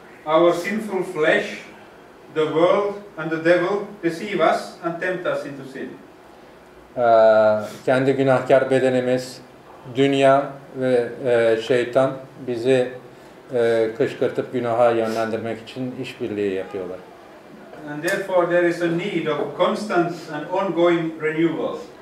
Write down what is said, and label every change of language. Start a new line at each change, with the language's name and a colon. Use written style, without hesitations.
English: Our sinful flesh, the world and the devil deceive us and tempt us into sin.
Turkish: Kendi günahkar bedenimiz, dünya ve şeytan bizi kışkırtıp günaha yönlendirmek için işbirliği yapıyorlar.
English: And therefore there is a need of constant and ongoing renewal.